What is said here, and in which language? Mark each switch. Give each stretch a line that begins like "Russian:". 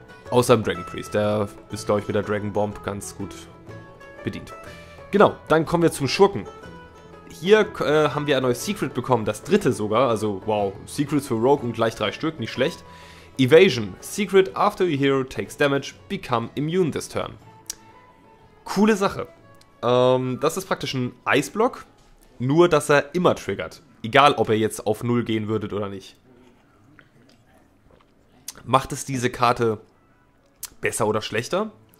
German: Außer im Dragon Priest. Der ist, glaube ich, mit der Dragon Bomb ganz gut bedient. Genau, dann kommen wir zum Schurken. Hier haben wir ein neues Secret bekommen. Das dritte sogar. Also, wow, Secrets für Rogue und gleich 3 Stück. Nicht schlecht. Evasion.
English: Secret after your hero takes damage, become immune this turn.
German: Coole Sache. Das ist praktisch ein Eisblock, nur dass er immer triggert. Egal, ob ihr jetzt auf 0 gehen würdet oder nicht. Macht es diese Karte besser oder schlechter?